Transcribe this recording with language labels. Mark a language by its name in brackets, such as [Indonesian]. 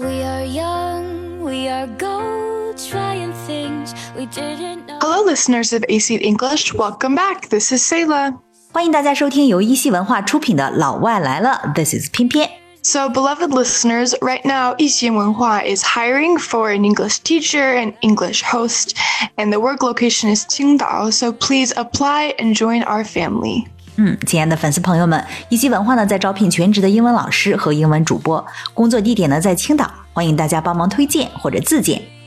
[English] go trying things we didn't know. Hello, listeners of AC English. Welcome back. This is Sayla. [Chinese] 欢迎大家收听由一系文化出品的《老外来了》。 [English] This is 翩翩。 So, beloved listeners, right now, 一心文化 is hiring for an English teacher and English host, and the work location is Qingdao, so please apply and join our family. [Chinese] 亲爱的粉丝朋友们，一心文化呢在招聘全职的英文老师和英文主播，工作地点呢在青岛，欢迎大家帮忙推荐或者自荐。